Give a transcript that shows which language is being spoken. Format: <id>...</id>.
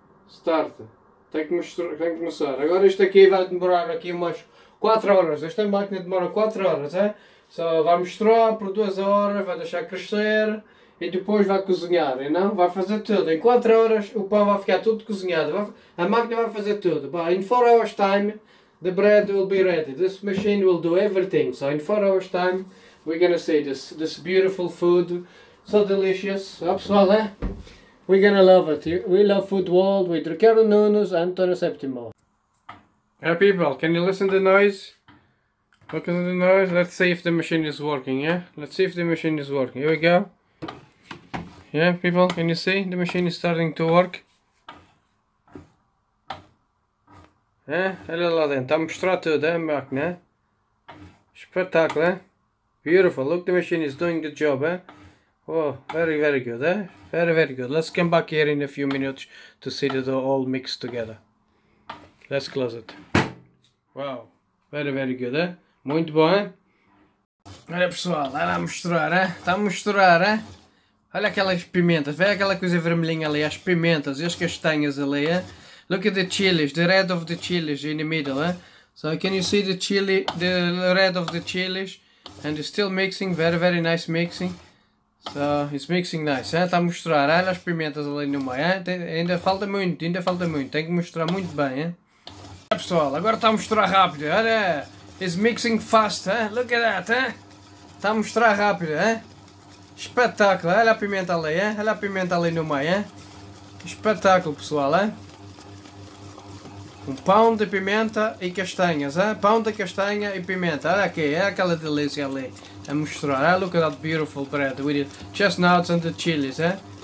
<en>Start.</en> <pt>Tem que começar. Agora isto aqui vai demorar aqui umas 4 horas. Esta máquina demora 4 horas, é? Só vai misturar por 2 horas, vai deixar crescer e depois vai cozinhar, não? Vai fazer tudo. Em 4 horas o pão vai ficar tudo cozinhado. A máquina vai fazer tudo.</pt> <en>But in 4 hours time, the bread will be ready. This machine will do everything. So in 4 hours time, we're gonna see this beautiful food. So delicious.</en> <pt>Ó pessoal, é?</pt> <en>We're gonna love it. We love Food World with Ricardo Nunes and Antonio Septimo. Hey people, can you listen to the noise? Look at the noise. Let's see if the machine is working, yeah? Let's see if the machine is working. Here we go. Yeah, people, can you see? The machine is starting to work.</en> <pt>Yeah, olha lá dentro. Está a mostrar tudo, hein, máquina? Espetáculo, hein?</pt> <en>Beautiful. Look, the machine is doing the job, eh? Oh, very, very good, eh? Very, very good. Let's come back here in a few minutes to see it all mixed together. Let's close it. Wow. Very, very good, eh?</en> <pt>Muito bom, hein? Olha, pessoal, está a misturar, hein? Está a misturar, hein? Olha aquelas pimentas, vê aquela coisa vermelhinha ali, as pimentas e as castanhas ali, hein?</pt> <en>Look at the chilies, the red of the chilies in the middle, eh? So, can you see the chili, the red of the chilies? And it's still mixing, very, very nice mixing. So, it's mixing nice,</en> <pt>hein? Está a misturar, olha as pimentas ali no meio, hein? Ainda falta muito, tem que misturar muito bem, hein? Olha, pessoal, agora está a misturar rápido, olha!</pt> <en>It's mixing fast, eh? Look at that, eh?</en> <pt>Está a mostrar rápido, eh? Espetáculo, olha a pimenta ali, eh? Olha a pimenta ali no meio, eh? Espetáculo, pessoal, eh? Um pão de pimenta e castanhas, eh? Pão de castanha e pimenta, olha aqui, é aquela delícia ali. A mostrar, eh?</pt> <en>Look at that beautiful bread with the chestnuts and the chilies, eh?</en>